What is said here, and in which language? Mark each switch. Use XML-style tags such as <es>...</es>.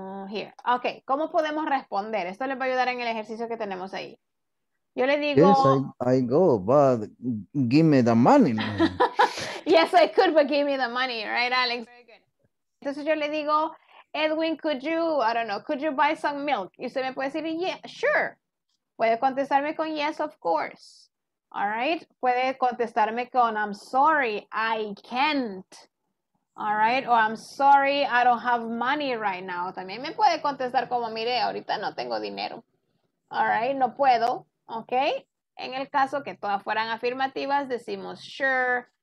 <en>Here. Okay,</en> <es>¿cómo podemos responder? Esto les va a ayudar en el ejercicio que tenemos ahí. Yo le digo,</es> <en>yes, I go, but give me the money. Yes, I could, but give me the money, right, Alex? Very good.</en> <es>Entonces yo le digo,</es> <en>Edwin, could you buy some milk?</en> <es>Y usted me puede decir,</es> <en>yeah, sure.</en> <es>Puede contestarme con</es> <en>yes, of course. All right.</en> <es>Puede contestarme con,</es> <en>I'm sorry, I can't. All right. Or I'm sorry, I don't have money right now.</en> <es>También me puede contestar como, mire, ahorita no tengo dinero.</es> <en>All right.</en> <es>No puedo. Okay. En el caso que todas fueran afirmativas, decimos sure.</es>